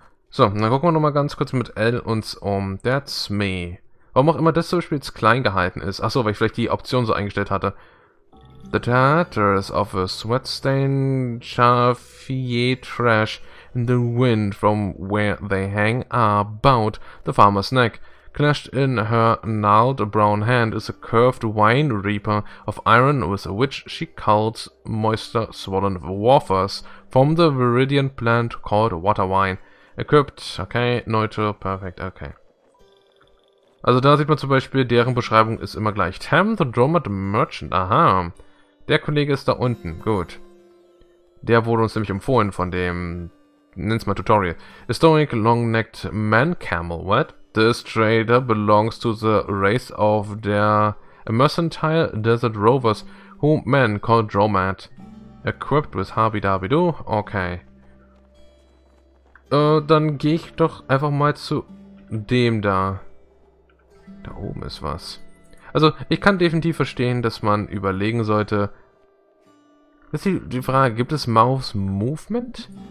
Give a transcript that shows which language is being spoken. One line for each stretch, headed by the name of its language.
German: So, dann gucken wir nochmal ganz kurz mit L uns um.
English: That's me.
German: Warum auch immer das zum Beispiel jetzt klein gehalten ist. Achso, weil ich vielleicht die Option so eingestellt hatte.
English: The tatters of a sweat-stained chaffier trash in the wind from where they hang about the farmer's neck. Clashed in her gnarled brown hand is a curved wine reaper of iron with which she culls moisture swollen wafers from the viridian plant called water wine. Equipped, okay, neutral, perfect, okay.
German: Also da sieht man zum Beispiel, deren Beschreibung ist immer gleich. Tam the Dromad Merchant, aha. Der Kollege ist da unten, gut. Der wurde uns nämlich empfohlen von dem, nenn's mal Tutorial.
English: Historic long-necked man camel, what? This trader belongs to the race of the mercantile desert rovers, whom men call Dromad. Equipped with Habidabidu, okay.
German: Dann gehe ich doch einfach mal zu dem da. Da oben ist was. Also, ich kann definitiv verstehen, dass man überlegen sollte. Ist die Frage, gibt es Mouse Movement?